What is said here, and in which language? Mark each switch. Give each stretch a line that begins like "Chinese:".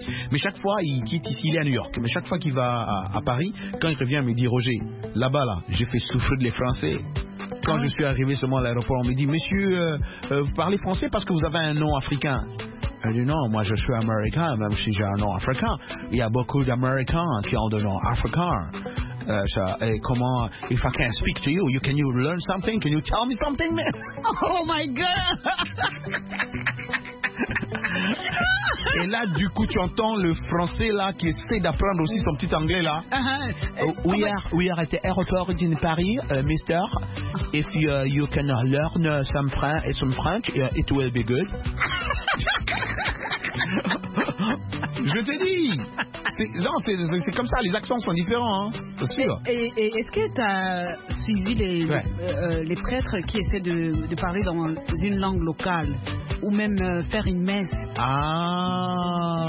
French: Mais chaque fois, il quitte ici, il est à New York. Mais chaque fois qu'il va à Paris, quand il revient, il me dit, Roger, là-bas, là, j'ai fait souffrir les Français. Quand je suis arrivé seulement à l'aéroport, on me dit, monsieur, vous parlez français parce que vous avez un nom africain. Elle dit non, moi je suis américain, même si j'ai un nom africain. Il y a beaucoup d'Américains qui ont des noms africains. Et comment,
English: if I can speak to you, can you learn something? Can you tell me something, miss? Oh my God!
French: Et là, du coup, tu entends le français là qui essaie d'apprendre aussi son petit anglais là.
English: We are at the airport in Paris, mister. If you can learn some French, it will be good.
French: Je t'ai dit. C'est comme ça, les accents sont différents, hein, c'est sûr. Et est-ce que tu as suivi les prêtres qui essaient de parler dans une langue locale ou même faire une messe? Ah.